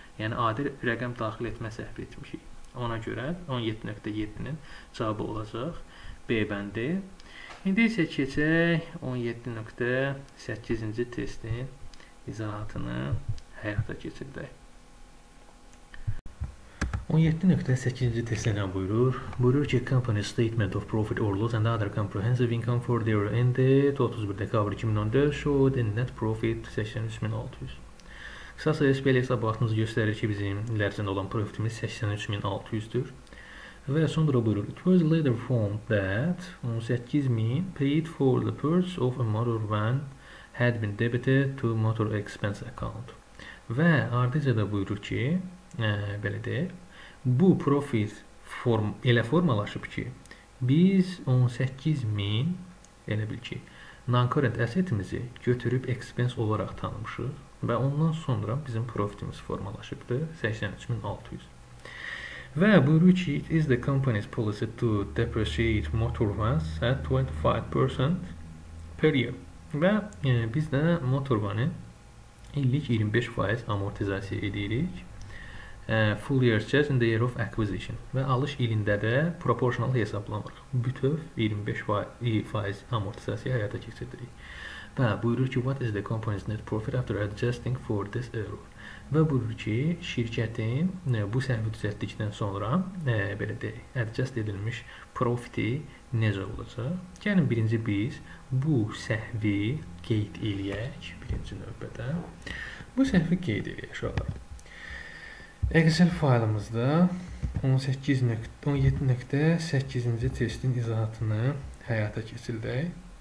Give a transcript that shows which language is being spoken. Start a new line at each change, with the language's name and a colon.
Azerbaijani: Yəni, adi rəqəm daxil etmək səhvi etmişik. Ona görə 17.7-nin cavabı olacaq B bəndi. İndi isə keçək 17.8-ci testin izahatını həyata keçirdək. 17.8-ci testə nə buyurur? Buyurur ki,
English: company statement of profit or loss and other comprehensive income for their ended 31 dekabr 2014 showed in net profit 83.600.
Azerbaijani: Qısaca, belə hesabatınızı göstərir ki, bizim ilərcində olan profitimiz 83.600-dür. Və sonra buyurur,
English: it was later found that 18.000 paid for the purchase of a motor van had been debited to motor expense account.
Azerbaijani: Və ardıca da buyurur ki, belə deyək, bu profit elə formalaşıb ki, biz 18.000 elə bil ki, non-current assetimizi götürüb expense olaraq tanımışıq və ondan sonra bizim profitimiz formalaşıbdır, 83.600. Və buyurur ki,
English: it is the company's policy to depreciate motor vans at 25% per year.
Azerbaijani: Və biz də motor vanı illik 25% amortizasiya edirik.
English: Full year charge in the year of acquisition.
Azerbaijani: Və alış ilində də proportional hesablamırıq. Bütöv 25% amortizasiya həyata keçirdirik. Və buyurur ki,
English: what is the company's net profit after adjusting for this error?
Azerbaijani: Və buyurur ki, şirkətin bu səhvi düzəltdikdən sonra belə deyək, adjust edilmiş profiti necə olacaq? Gəlin, birinci biz bu səhvi qeyd eləyək birinci növbədə. Bu səhvi qeyd eləyək, şuralar. Excel faylımızda 17.8-ci testin izahatını həyata keçirdək.